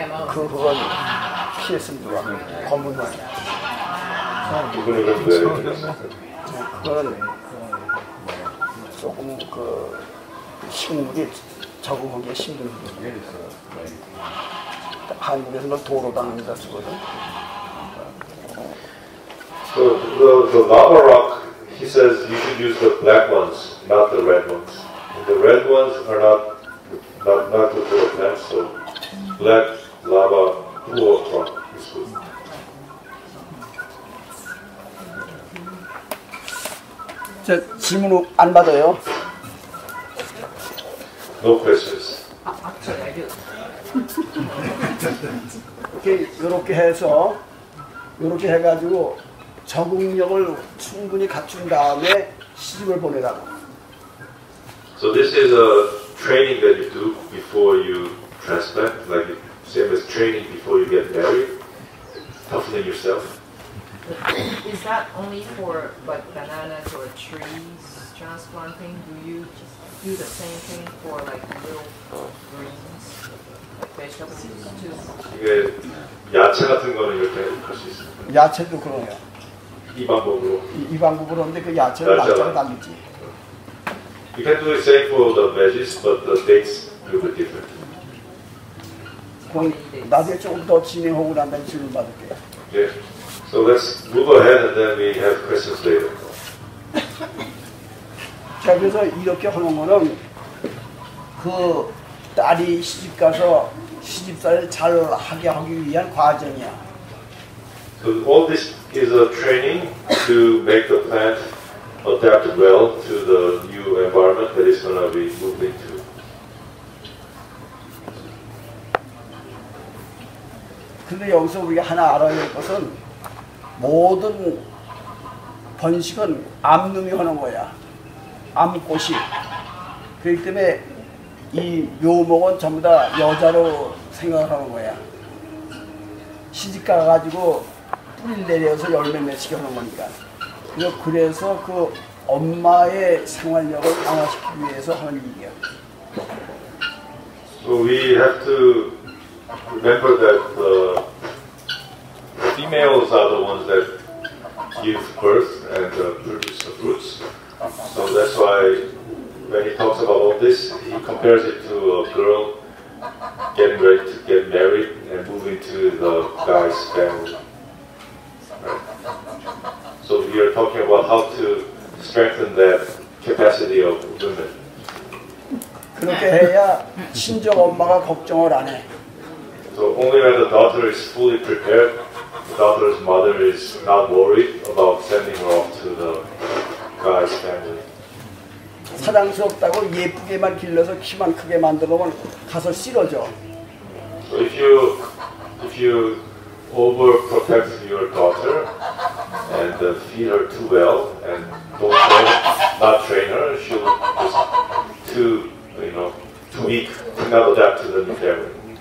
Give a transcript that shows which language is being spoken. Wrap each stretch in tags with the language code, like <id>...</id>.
<ko>그건 PSM도가 검은 거야. 그건 조금 그 식물이 적응하기 힘든 거예요. 한국에서는 도로 다닌다 쓰거든.</ko> <en>The lava rock. He says you should use the black ones, not the red ones. And the red ones are not good for plants, so black lava pure rock is good.</en> <ko>So, 질문 안 받아요?</ko> <en>No questions.</en> <ko>Okay, 이렇게 해서 이렇게 해가지고. 적응력을 충분히 갖춘 다음에 시집을 보내라고.</ko> <en>So this is a training that you do before you transplant, like same as training before you get married, toughening yourself. Is that only for like bananas or trees transplanting? Do you just do the same thing for like little greens, like vegetables too?</en> <ko>이게 야채 같은 거는 이렇게 할 수 있어요. 야채도 그러네요. 이 방법으로. 이 방법으로 하는데 그 야채를 날짜로 담겠지.</ko> <en>You can do the same for the veggies, but the dates will be different.</en> <ko>그럼 나중에 조금 더 진행하고 난 다음에 질문 받을게요.</ko> <en>Okay. So let's move ahead and then we have questions later.</en> <ko>자, 그래서 이렇게 하는 거는 그 딸이 시집가서 시집살을 잘 하게 하기 위한 과정이야.</ko> <en>So all this is a training to make the plant adapt well to the new environment that it's going to be moving to.</en> <ko>But 여기서 우리가 하나 알아야 할 것은 모든 번식은 암놈이 하는 거야. 암꽃이. 그렇기 때문에 이 묘목은 전부 다 여자로 생각하는 거야. 시집 가가지고 뿌리를 내려서 열매 맺히려는 거니까. 그래서 그 엄마의 생활력을 강화시키기 위해서 하는 일이야.</ko> <en>So we have to remember that the females are the ones that give birth and produce the fruits. So that's why when he talks about all this, he compares it to a girl getting ready to get married and moving to the guy's family. So we are talking about how to strengthen that capacity of women.</en> <ko>그렇게 해야 친정 엄마가 걱정을 안 해.</ko> <en>So only when the daughter is fully prepared, the daughter's mother is not worried about sending her off to the guy's family.</en> <ko>사랑스럽다고 예쁘게만 길러서 키만 크게 만들어면 가서 싫어져.</ko> <en>So if you overprotect your daughter and feed her too well and don't train, not train her, she'll just too, you know, too weak to not adapt to the new family.</en>